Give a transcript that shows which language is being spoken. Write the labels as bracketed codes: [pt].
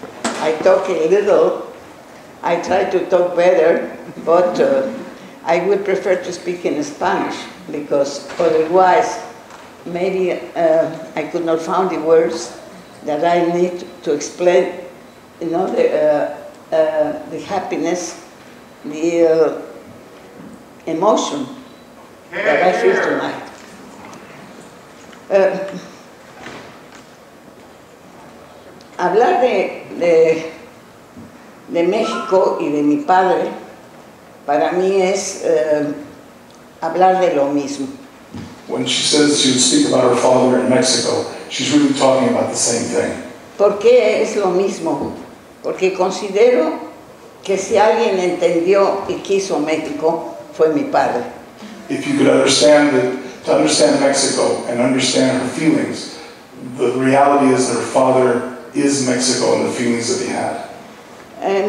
[en] I talk a little, I try to talk better, but I would prefer to speak in Spanish, because otherwise, maybe I could not find the words that I need to explain, you know, the happiness, the emotion that I feel tonight. [es] Hablar de México y de mi padre para mí es hablar de lo mismo. [en] When she says she would speak about her father in Mexico, she's really talking about the same thing. [es] ¿Por qué es lo mismo? Porque considero que si alguien entendió y quiso México, fue mi padre. [en] If you could understand it, to understand Mexico and understand her feelings, the reality is that her father is Mexico and the feelings that he had.